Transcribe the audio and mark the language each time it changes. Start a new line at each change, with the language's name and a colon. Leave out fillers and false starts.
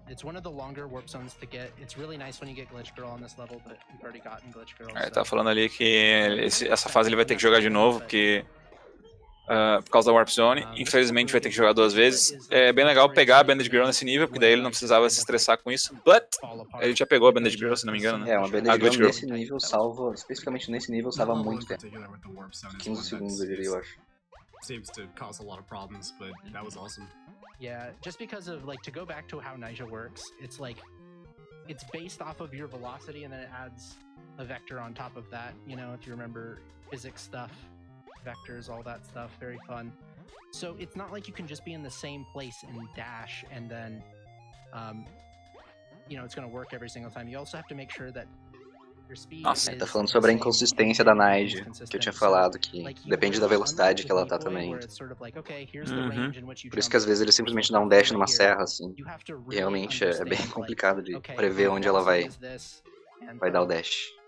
English: It's one of the longer warp zones to get. It's really nice when you get Glitch Girl on this level, but we've already gotten Glitch Girl.
Portuguese: Ele tá falando ali que essa fase ele vai ter que jogar de novo, porque. Por causa da Warp Zone, infelizmente vai ter que jogar duas vezes. É bem legal pegar a Bandage Girl nesse nível, porque daí ele não precisava se estressar com isso. But ele já pegou a Bandage Girl, se não me engano, né? É, uma Bandage Girl nesse nível salva, especificamente nesse nível, salva muito tempo. 15 segundos, eu diria, eu acho.
English: Seems to cause a lot of problems, but that was awesome. Yeah, just because of, like, to go back to how Naija works, it's like, it's based off of your velocity and then it adds a vector on top of that, you know, if you remember physics stuff. Vectors, all that stuff, very fun. So it's not like you can just be in the same place and dash and then you know, it's gonna work every single time. You also have to make sure that your speed.
Portuguese: Nossa, ele tá falando sobre a inconsistência da Naija, que eu tinha falado, que depende da velocidade que ela tá também. Por isso que às vezes ele simplesmente dá um dash numa serra, assim. Realmente é bem complicado de prever onde ela vai dar o dash.